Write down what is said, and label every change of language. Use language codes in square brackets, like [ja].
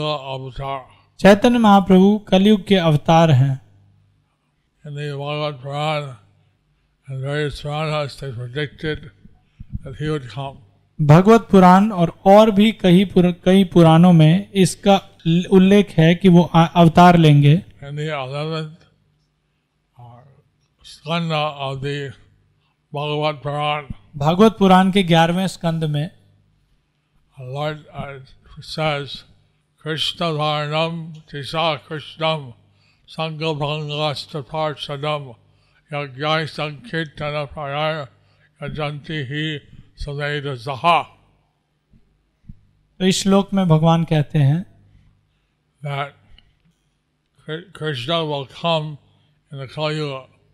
[hi] चैतन्य महाप्रभु कलयुग के अवतार हैं. [en] In the Bhagavad Puran and various Puranas they predicted that he would come. [hi] भगवत पुराण और भी कई पुराणों में इसका उल्लेख है कि वो अवतार लेंगे. [en] In the 11th skanda of the Bhagavad Puran. [hi] भगवत पुराण के 11वें स्कंद में [en] Lord says, [sa] Krishna Varnam Tisa Krishnam Sangha Bhangasta Parsadam Yajnai Sankirtana Prayar Yajanti Hi Sumedha Zaha. [hi] तो इस श्लोक में भगवान कहते हैं [en] that Krishna will come in the Kaliyuga.